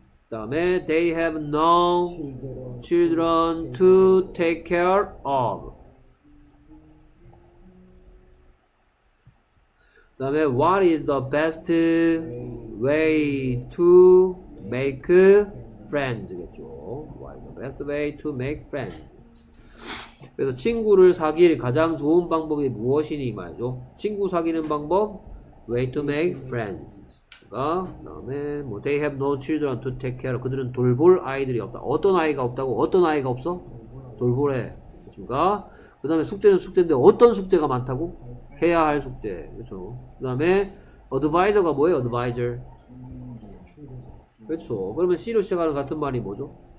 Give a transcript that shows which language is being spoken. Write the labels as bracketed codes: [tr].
[ko] 다음에 [en] they have no children to take care of. [ko] 다음에 [en] what is the best way to make friends겠죠? What is the best way to make friends? [ko] 그래서 친구를 사귈 가장 좋은 방법이 무엇이니 말이죠? 친구 사귀는 방법, [en] way to make friends. [ko] 다음에 뭐 [en] they have no children to take care of. [ko] 그들은 돌볼 아이들이 없다. 어떤 아이가 없다고? 어떤 아이가 없어? 돌보래. 됐습니까? 그 다음에 숙제는 숙제인데 어떤 숙제가 많다고? 해야 할 숙제. 그렇죠. 그 다음에 advisor가 뭐예요? advisor. 그렇죠. 그러면 C로 시작하는 같은 말이 뭐죠?